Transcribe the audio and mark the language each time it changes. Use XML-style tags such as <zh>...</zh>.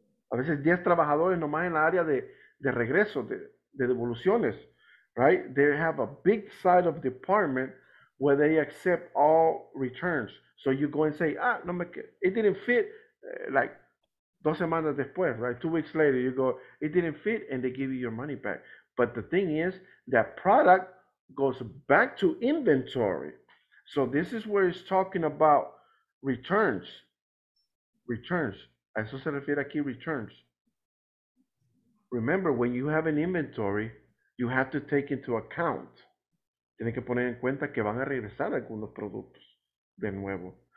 <es>A veces 10 trabajadores nomás en la área de regreso, de devoluciones,</es> <en>right? They have a big side of department where they accept all returns. So you go and say, ah, no, it didn't fit, like,</en> <es>2 semanas después,</es> <en>right? 2 weeks later, you go, it didn't fit, and they give you your money back. But the thing is, that product goes back to inventory. So this is where it's talking about returns. Returns.</en> <es>A eso se refiere aquí,</es> <en>returns. Remember, when you have an inventory, you have to take into account.</en> <es>Tiene que poner en cuenta que van a regresar algunos productos de nuevo.</es>